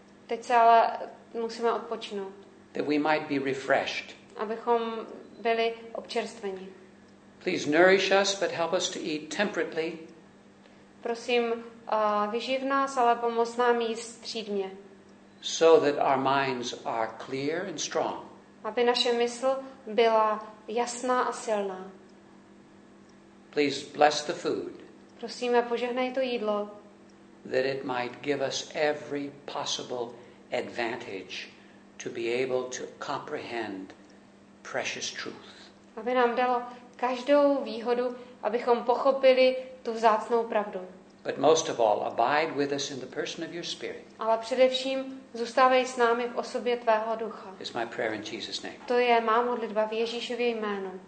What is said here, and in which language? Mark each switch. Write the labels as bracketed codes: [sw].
[cs] Teď se ale musíme odpočinout. [en] That we might be refreshed. [cs] Abychom byli občerstveni. [en] Please nourish us, but help us to eat temperately. [cs] Prosím, vyživ nás, ale pomoz nám jíst střídmě. [en] So that our minds are clear and strong. [cs] Aby naše mysl byla jasná a silná. [en] Please bless the food. [cs] Prosíme, požehnej to jídlo. [en] That it might give us every possible advantage to be able to comprehend precious truth. [cs] Aby nám dalo každou výhodu, abychom pochopili tu vzácnou pravdu. [en] But most of all, abide with us in the person of your spirit. [cs] Ale především zůstávej s námi v osobě tvého ducha. [en] It's my prayer in Jesus' name. [cs] To je má modlitba v Ježíšově jménu.